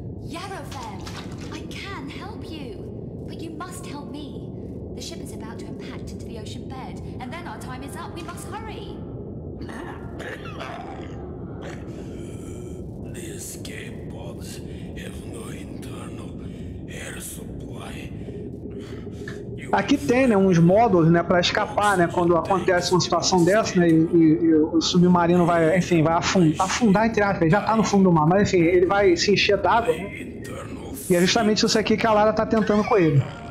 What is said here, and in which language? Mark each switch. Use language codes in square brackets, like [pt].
[pt] Yarovan, eu posso ajudar você, mas você tem que me ajudar. O navio está [en] ocean bed, and then our time is up. We must hurry. The escape pods have no internal air supply. [pt] Aqui tem, né, uns módulos, né, para escapar, né, quando acontece uma situação dessa, né, e o submarino vai, enfim, vai afundar entre aspas, já tá no fundo do mar, mas enfim, ele vai se encher d'água, né, e é justamente isso aqui que a Lara tá tentando com ele.